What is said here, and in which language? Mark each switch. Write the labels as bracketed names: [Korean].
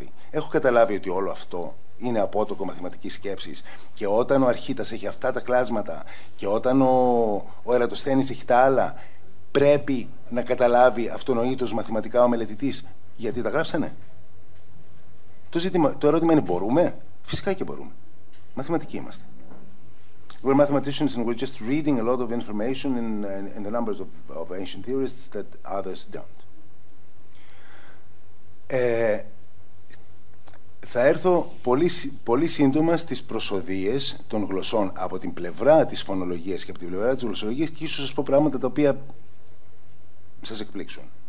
[Greek] Έχω καταλάβει ότι όλο αυτό είναι απότοκο μαθηματικής σκέψης. Και όταν ο Αρχίτας έχει αυτά τα κλάσματα, και όταν ο Ερατοσθένης έχει τα άλλα, πρέπει να καταλάβει αυτονοήτως μαθηματικά ο μελετητής γιατί τα γράψανε. Το ερώτημα είναι, μπορούμε? Φυσικά και μπορούμε. Μαθηματικοί είμαστε. [English] We're mathematicians and we're just reading a lot of information in the numbers of ancient theorists that others don't. [Greek] Θα έρθω πολύ, πολύ σύντομα στις προσοδίες των γλωσσών από την πλευρά της φωνολογίας και από την πλευρά της γλωσσολογίας και ίσως σας πω πράγματα τα οποία σας εκπλήξουν.